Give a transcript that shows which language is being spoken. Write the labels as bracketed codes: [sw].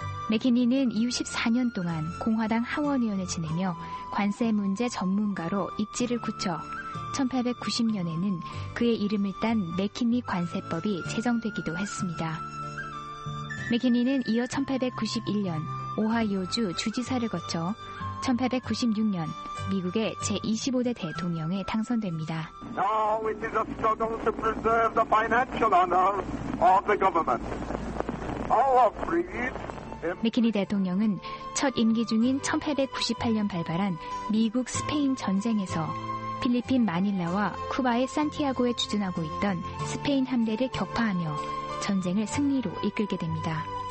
[ko] 맥키니는 이후 14년 동안 공화당 하원의원을 지내며 관세 문제 전문가로 입지를 굳혀 1890년에는 그의 이름을 딴 맥키니 관세법이 제정되기도 했습니다. 맥키니는 이어 1891년 오하이오주 주지사를 거쳐 1896년 미국의 제25대 대통령에 당선됩니다. [en] Now it is a struggle to preserve the financial honor of the government. Our greed. [ko] 맥키니 대통령은 첫 임기 중인 1898년 발발한 미국 스페인 전쟁에서 필리핀 마닐라와 쿠바의 산티아고에 주둔하고 있던 스페인 함대를 격파하며 전쟁을 승리로 이끌게 됩니다.